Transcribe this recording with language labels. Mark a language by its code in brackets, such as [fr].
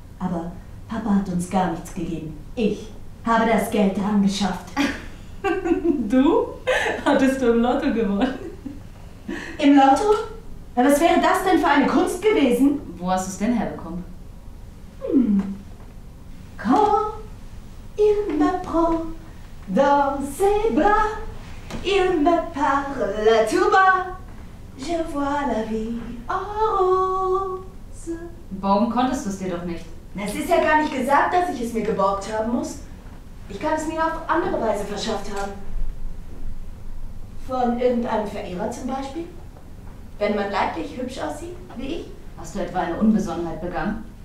[de] Aber Papa hat uns gar nichts gegeben. Ich habe das Geld dran geschafft. Du? Hattest du im Lotto gewonnen? Im Lotto? Ja, was wäre das denn für eine Kunst gewesen? Wo hast du es denn herbekommen? [fr] Quand il me prend dans ses bras, il me parle tout bas, je vois la vie en rose. [de] Borgen konntest du es dir doch nicht. Es ist ja gar nicht gesagt, dass ich es mir geborgt haben muss. Ich kann es mir auf andere Weise verschafft haben. Von irgendeinem Verehrer zum Beispiel? Wenn man leiblich hübsch aussieht, wie ich? Hast du etwa eine Unbesonnenheit begangen?